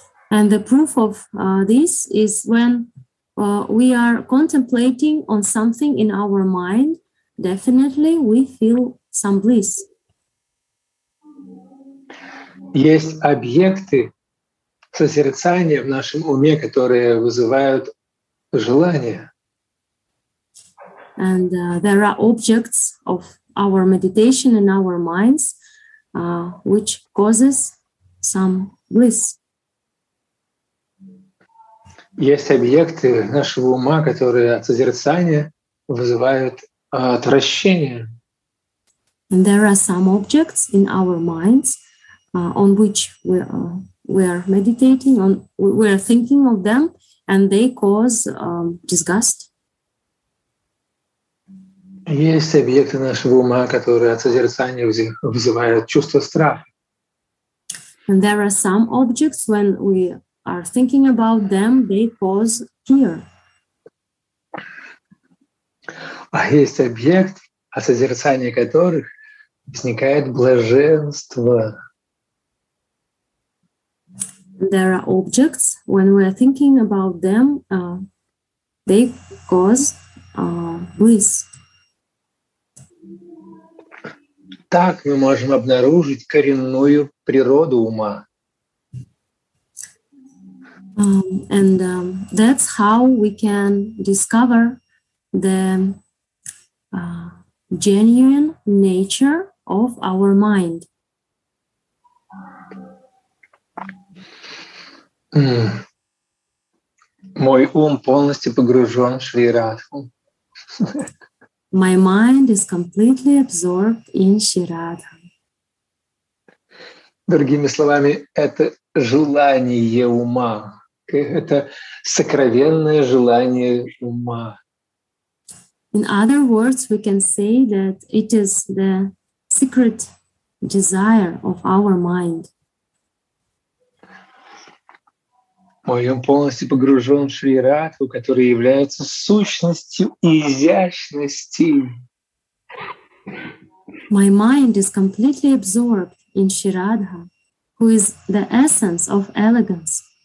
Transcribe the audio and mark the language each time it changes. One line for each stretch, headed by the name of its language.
English: And the proof of this is when we are contemplating on something in our mind, definitely we feel some bliss.
Russian: есть объекты созерцания в нашем уме, которые вызывают желание.
English: And there are objects of our meditation in our minds, which causes some bliss.
Russian: Есть объекты нашего ума, которые от созерцания вызывают отвращение.
English: And there are some objects in our minds, on which we are meditating, on we are thinking of them, and they cause disgust.
Russian: Есть объекты нашего ума, которые от созерцания вызывают чувство страха.
English: And there are some objects when we are thinking about them, they cause fear.
Russian: А есть объект, от созерцания которых возникает блаженство.
English: There are objects when we are thinking about them, they cause bliss.
Russian: Так мы можем обнаружить коренную природу ума.
English: And that's how we can discover the genuine nature of our mind.
Russian: Мой ум полностью погружен в Шри Радху.
English: My mind is completely absorbed in Шри Радху.
Russian: Другими словами, это желание ума. Это сокровенное желание ума.
English: In other words, we can say that it is the secret desire of our mind.
Russian: Мой ум полностью погружен в Шри Радху, который является сущностью изящности.
English: My mind is completely absorbed in Шри Радху, who is the essence of elegance.